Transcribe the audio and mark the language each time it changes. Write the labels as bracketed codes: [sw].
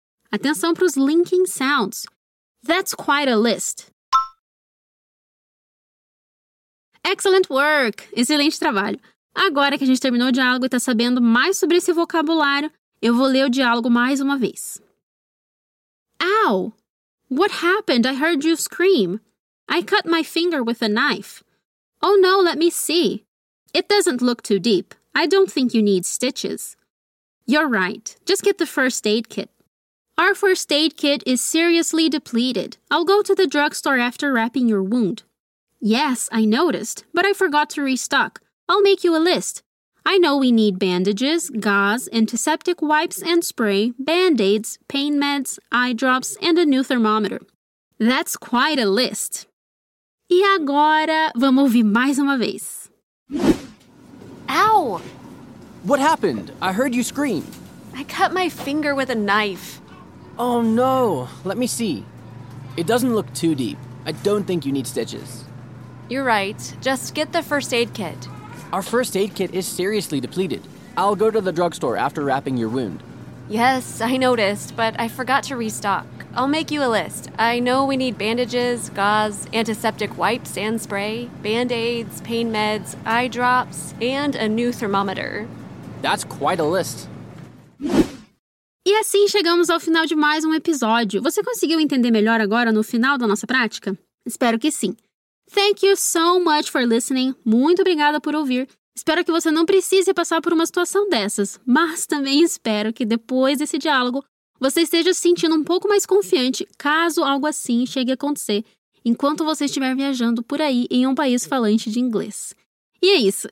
[pt] Atenção para os linking sounds. [en] That's quite a list. Excellent work! [pt] Excelente trabalho. Agora que a gente terminou o diálogo e está sabendo mais sobre esse vocabulário, eu vou ler o diálogo mais uma vez. [en] Ow! What happened? I heard you scream. I cut my finger with a knife. Oh no, let me see. It doesn't look too deep. I don't think you need stitches. You're right. Just get the first aid kit. Our first aid kit is seriously depleted. I'll go to the drugstore after wrapping your wound. Yes, I noticed, but I forgot to restock. I'll make you a list. I know we need bandages, gauze, antiseptic wipes and spray, band-aids, pain meds, eye drops, and a new thermometer. That's quite a list. [pt] E agora, vamos ouvir mais uma vez. Ow! [en] What happened? I heard you scream. I cut my finger with a knife. Oh no, let me see. It doesn't look too deep. I don't think you need stitches. You're right. Just get the first aid kit. Our first aid kit is seriously depleted. I'll go to the drugstore after wrapping your wound. Yes, I noticed, but I forgot to restock. I'll make you a list. I know we need bandages, gauze, antiseptic wipes and spray, band-aids, pain meds, eye drops, and a new thermometer. That's quite a list. [pt] E assim chegamos ao final de mais um episódio. Você conseguiu entender melhor agora no final da nossa prática? Espero que sim. [en] Thank you so much for listening. [pt] Muito obrigada por ouvir. Espero que você não precise passar por uma situação dessas, mas também espero que depois desse diálogo você esteja se sentindo um pouco mais confiante caso algo assim chegue a acontecer enquanto você estiver viajando por aí em um país falante de inglês. E é isso.